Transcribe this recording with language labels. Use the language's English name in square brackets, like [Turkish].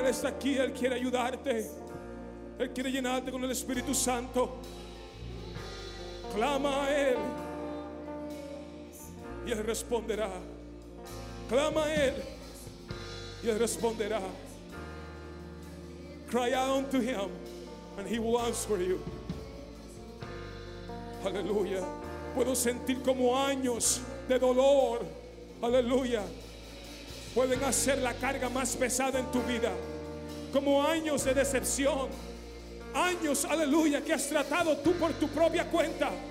[Spanish] Él está aquí, Él quiere ayudarte, Él quiere llenarte con el Espíritu Santo. Clama a Él y Él responderá. Clama a Él y Él responderá. [English] Cry out unto him and he will answer you. [Spanish] Aleluya. Puedo sentir como años de dolor. Aleluya. Pueden hacer la carga más pesada en tu vida. Como años de decepción. Años, aleluya, que has tratado tú por tu propia cuenta.